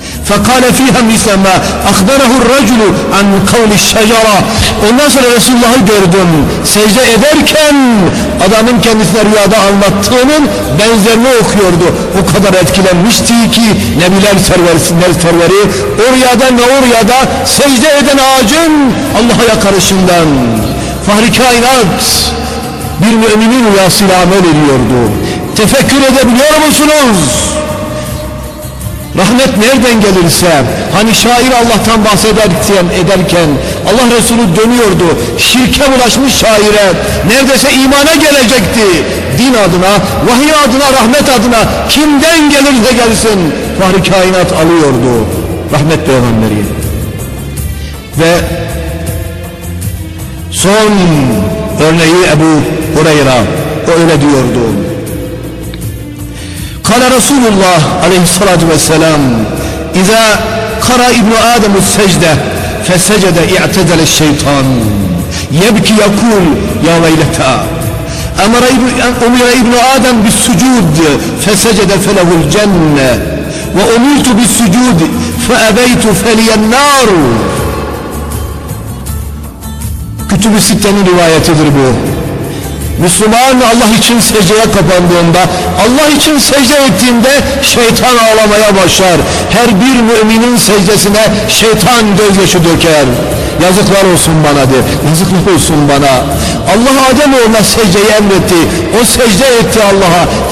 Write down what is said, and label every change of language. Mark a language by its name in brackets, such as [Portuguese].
[Arabic] فقال فيها مثل ما أخبره الرجل عن قول الشجرة." [Turkish] Ondan sonra Resulullah'ı gördüm. Secde ederken adamın kendisine rüyada anlattığının benzerini okuyordu. O kadar etkilenmişti ki Nebiler serveri o rüyada ne o rüyada secde eden ağacın Allah'a yakarışından Fahri Kainat bir müminin rüyasıyla amel ediyordu. Tefekkür edebiliyor musunuz? Rahmet nereden gelirse, hani şair Allah'tan bahsederken Allah Resulü dönüyordu, şirke bulaşmış şaire, neredeyse imana gelecekti. Din adına, vahiy adına, rahmet adına kimden gelirse gelsin Fahri Kainat alıyordu rahmet peygamberi. Ve son örneği Ebu Hureyre, o öyle diyordu: [Arabic] قال رسول الله عليه الصلاة والسلام إذا قرأ ابن آدم السجدة فسجد اعتدل الشيطان يبكي يقول يا ويلتا أمر ابن آدم بالسجود فسجد فله الجنة وأمرت بالسجود فأبيت فلي النار. كتب الستة من رواية تضربه. [Turkish] Müslüman Allah için secdeye kapandığında, Allah için secde ettiğinde şeytan ağlamaya başlar. Her bir müminin secdesine şeytan gözyaşı döker. Yazıklar olsun bana de, yazıklar olsun bana. Allah Ademoğluna secdeyi emretti, o secde etti Allah'a.